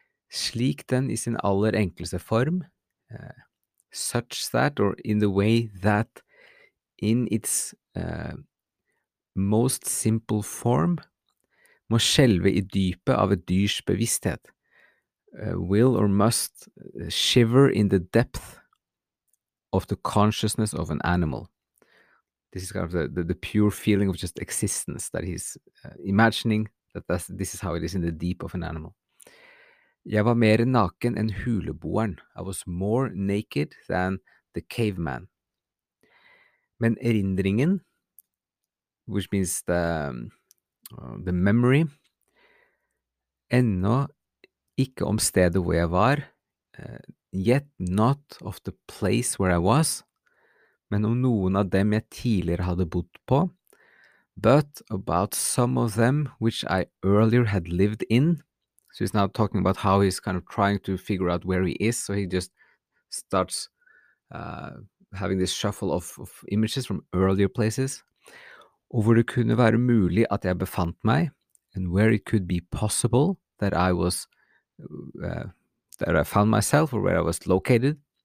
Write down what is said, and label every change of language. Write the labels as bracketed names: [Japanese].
[Norwegian] Slik den i sin aller enkleste form. [English] Such that, or in the way that, in its most simple form, [Norwegian] må skjelve i dypet av et dyrs bevissthet, [English] will or must shiver in the depth of the consciousness of an animal. This is kind of the pure feeling of just existence that he's imagining, this is how it is in the deep of an animal. [Norwegian] Jeg var mer naken enn huleboeren. [English] I was more naked than the caveman. [Norwegian] Men erindringen, [English] which means the memory, [Norwegian] ennå ikke om stedet hvor jeg var, [English] yet not of the place where I was, [Norwegian] men om noen av dem jeg tidligere hadde bodd på, [English] but about some of them which I earlier had lived in. So he's now talking about how he's kind of trying to figure out where he is. So he just starts having this shuffle of images from earlier places. [Norwegian] Over det kunne være mulig at jeg befant meg, [English] and where it could be possible that I was, that I found myself or where I was located.